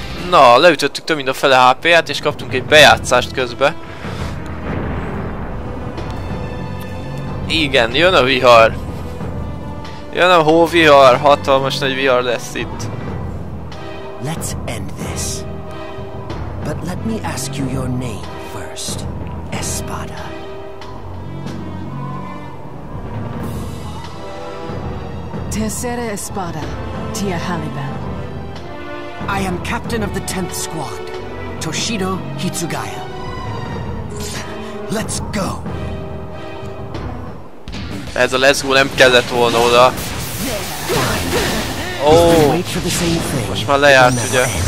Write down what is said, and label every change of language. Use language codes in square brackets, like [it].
[hu] Na, leütöttük több mint a fele HP-ját, és kaptunk egy bejátszást közbe. Igen, jön a vihar. Jön a hóvihar, hatalmas nagy vihar lesz itt. [en] Let's end this. But let me ask you your name first. Espada. Tercera Espada, Tia Halibel. I am captain of the 10th squad, Toshido Hitsugaya. Let's go! [hu] Ez a leszgó nem kellett volna oda. Ó, oh, most már lejárt, ugye?